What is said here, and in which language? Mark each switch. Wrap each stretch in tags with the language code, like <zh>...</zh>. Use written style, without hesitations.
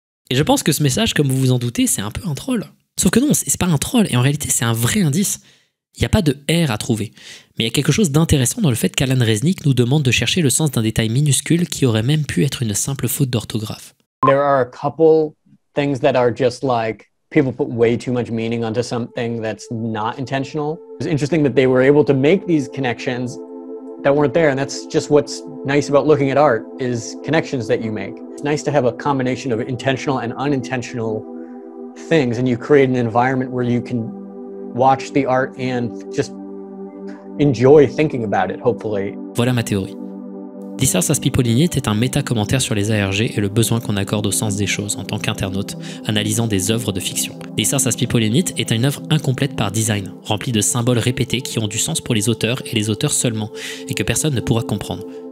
<fr>Et je pense que ce message, comme vous vous en doutez, c'est un peu un troll. Sauf que non, c'est pas un troll, et en réalité c'est un vrai indice. Il n'y a pas de R à trouver. Mais il y a quelque chose d'intéressant dans le fait qu'Alan Resnick nous demande de chercher le sens d'un détail minuscule qui aurait même pu être une simple faute d'orthographe.</fr> <en>There are a couple things that are just like people put way too much meaning onto something that's not intentional. It's interesting that they were able to make these connections that weren't there, and that's just what's nice about looking at art is connections that you make. It's nice to have a combination of intentional and unintentional things, and you create an environment where you can watch the art and just enjoy thinking about it, hopefully.</en> <fr>Voilà ma théorie. Dissource Aspipolinit est un méta-commentaire sur les ARG et le besoin qu'on accorde au sens des choses en tant qu'internaute, analysant des œuvres de fiction. Dissource Aspipolinit est une œuvre incomplète par design, remplie de symboles répétés qui ont du sens pour les auteurs et les auteurs seulement, et que personne ne pourra comprendre.</fr>